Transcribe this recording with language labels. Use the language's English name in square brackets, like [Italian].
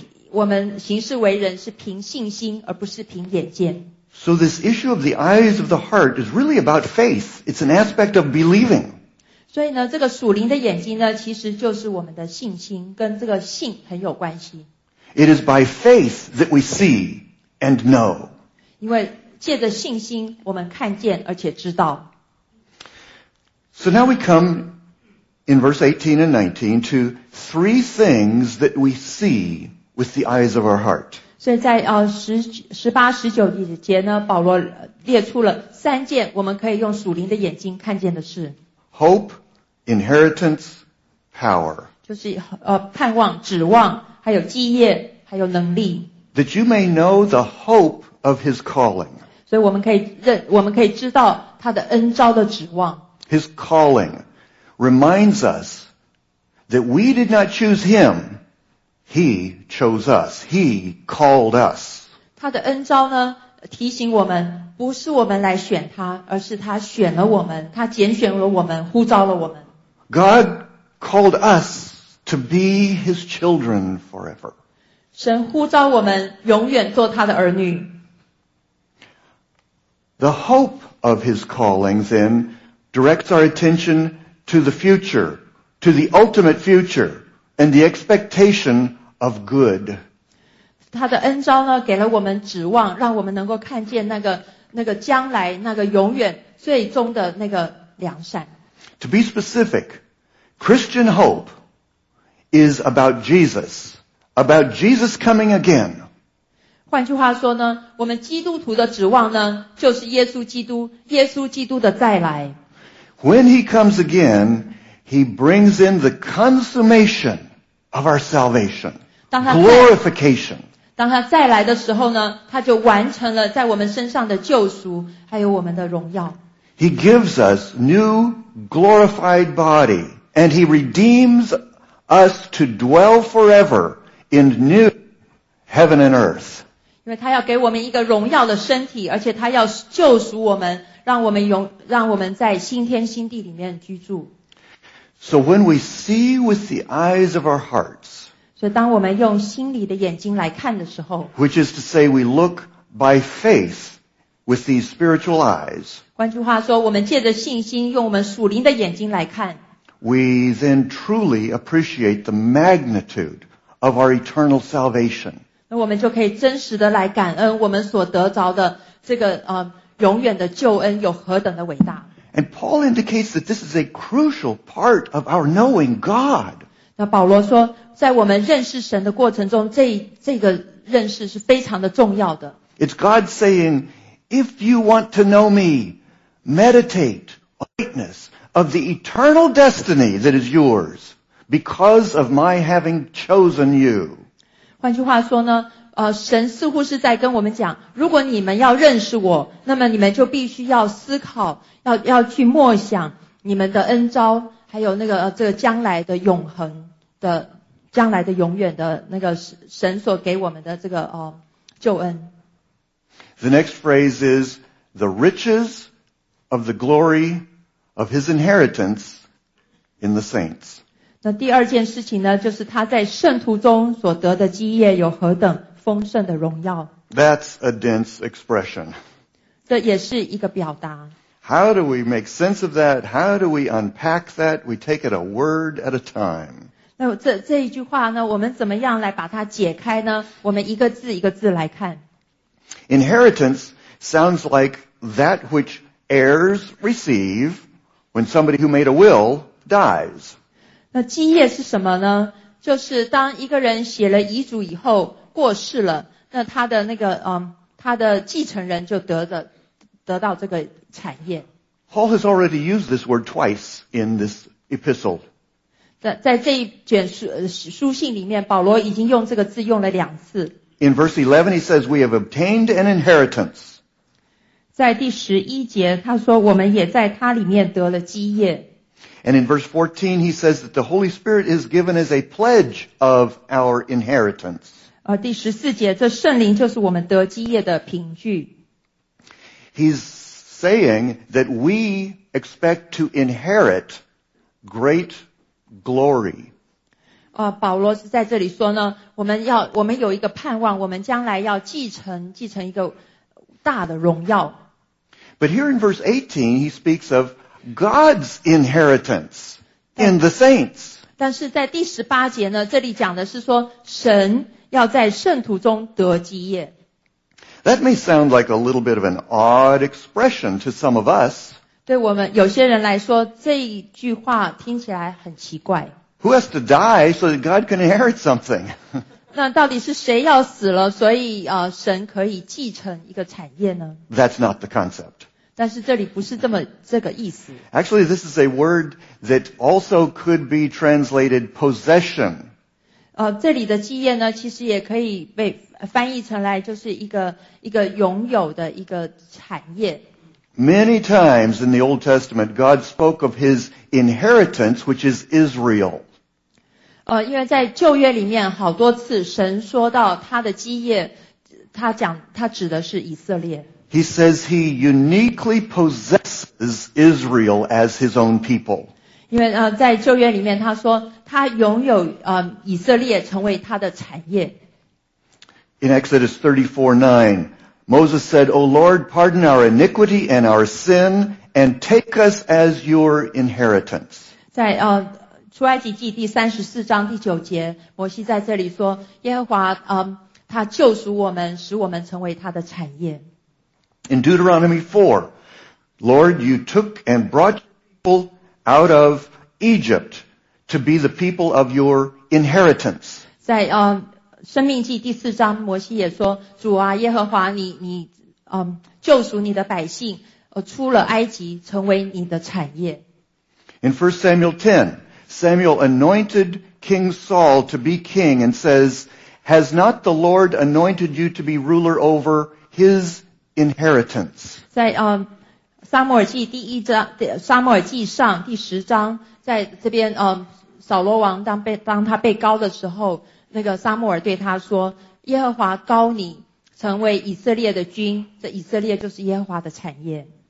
[Chinese] 我们行事为人是凭信心而不是凭眼见。 [English] So this issue of the eyes of the heart is really about faith. It's an aspect of believing. [Chinese] 所以呢，这个属灵的眼睛呢，其实就是我们的信心，跟这个信很有关系。 [English] It is by faith that we see and know. [Chinese] 因为借着信心，我们看见而且知道。 [English] So now we come in verse 18 and 19 to three things that we see with the eyes of our heart. [Chinese] 所以在18-19节呢，保罗列出了三件我们可以用属灵的眼睛看见的事。 [English] Hope, inheritance, power. [Chinese] 就是盼望、指望，还有基业，还有能力。 [English] That you may know the hope of his calling. [Chinese] 所以我们可以知道他的恩召的指望。 [English] His calling reminds us that we did not choose him, he chose us, he called us. [Chinese] 他的恩召呢，提醒我们，不是我们来选他，而是他选了我们，他拣选了我们，呼召了我们。 [English] God called us to be his children forever. [Chinese] 神呼召我们永远做他的儿女。 [English] The hope of his calling then directs our attention to the future, to the ultimate future, and the expectation of good. [Chinese] 他的恩召呢，给了我们指望，让我们能够看见那个将来，那个永远最终的那个良善。 [English] To be specific, Christian hope is about Jesus, about Jesus coming again. [Chinese] 换句话说呢，我们基督徒的指望呢，就是耶稣基督，耶稣基督的再来。 [English] When he comes again, he brings in the consummation of our salvation, glorification. [Chinese] 当他再来的时候呢，他就完成了在我们身上的救赎，还有我们的荣耀。 [English] He gives us new glorified body, and he redeems us to dwell forever in new heaven and earth. [Chinese] 因为他要给我们一个荣耀的身体，而且他要救赎我们。让我们在新天新地里面居住。 [English] So when we see with the eyes of our hearts, [Chinese] 所以当我们用心里的眼睛来看的时候， [English] which is to say we look by faith with these spiritual eyes, [Chinese] 换句话说，我们借着信心用我们属灵的眼睛来看， [English] we then truly appreciate the magnitude of our eternal salvation. [Chinese] 那我们就可以真实的来感恩我们所得着的这个永远的救恩有何等的伟大。 [English] And Paul indicates that this is a crucial part of our knowing God. [Chinese] 那保罗说，在我们认识神的过程中，这个认识是非常的重要的。 [English] It's God saying, if you want to know me, meditate on the greatness of the eternal destiny that is yours because of my having chosen you. [Chinese] 换句话说呢，神似乎是在跟我们讲，如果你们要认识我，那么你们就必须要思考，要去默想你们的恩召，还有那个这个将来的永恒的将来的永远的那个神所给我们的这个救恩。 [English] The next phrase is the riches of the glory of his inheritance in the saints. [Chinese] 那第二件事情呢，就是他在圣徒中所得的基业有何等。 [English] That's a dense expression. [Chinese] 这也是一个表达。 [English] How do we make sense of that? How do we unpack that? We take it a word at a time. [Chinese] 那这一句话呢，我们怎么样来把它解开呢？我们一个字一个字来看。 [English] Inheritance sounds like that which heirs receive when somebody who made a will dies. [Chinese] 那基业是什么呢？就是当一个人写了遗嘱以后过世了，那他的那个他的继承人就得到这个产业。 [English] Paul has already used this word twice in this epistle. [Chinese] 在这一卷 书信里面，保罗已经用这个字用了两次。 [English] In verse 11, he says, "We have obtained an inheritance." [Chinese] 在第十一节，他说，我们也在他里面得了基业。 [English] And in verse 14, he says that the Holy Spirit is given as a pledge of our inheritance. [Chinese] 第十四节，这圣灵就是我们得基业的凭据。 [English] He's saying that we expect to inherit great glory. [Chinese] 保罗是在这里说呢，我们有一个盼望，我们将来要继承一个大的荣耀。 [English] But here in verse 18, he speaks of God's inheritance in the saints. [Chinese] 但是在第十八节呢，这里讲的是说神要在圣徒中得基业。 [English] That may sound like a little bit of an odd expression to some of us. [Chinese] 对我们有些人来说，这一句话听起来很奇怪。 [English] Who has to die so that God can inherit something? [Chinese] 那到底是谁要死了，所以神可以继承一个产业呢？ [English] That's not the concept. [Chinese] 但是这里不是这么这个意思。 [English] Actually, this is a word that also could be translated possession. [Chinese] 这里的基业呢，其实也可以被翻译成来就是一个拥有的一个产业。 [English] Many times in the Old Testament, God spoke of His inheritance, which is Israel. [Chinese] 因为在旧约里面好多次神说到他的基业，他指的是以色列。 [English] He says He uniquely possesses Israel as His own people. [Chinese] 因为在旧约里面他说他拥有以色列成为他的产业。 [English] In Exodus 34:9, Moses said, O Lord, pardon our iniquity and our sin, and take us as your inheritance. [Chinese] 在出埃及记第34章第9节，摩西在这里说，耶和华他救赎我们，使我们成为他的产业。 [English] In Deuteronomy 4, Lord, you took and brought people out of Egypt to be the people of your inheritance. [Chinese] 在生命记第四章，摩西也说：“主啊，耶和华你救赎你的百姓，出了埃及，成为你的产业。” [English] In 1 Samuel 10, Samuel anointed King Saul to be king and says, "Has not the Lord anointed you to be ruler over His inheritance?" [Chinese] 在撒母耳记第一章，撒母耳记上第十章，在这边扫罗王当他被膏的时候。那个撒母耳对他说，耶和华膏你成为以色列的君，这以色列就是耶和华的产业。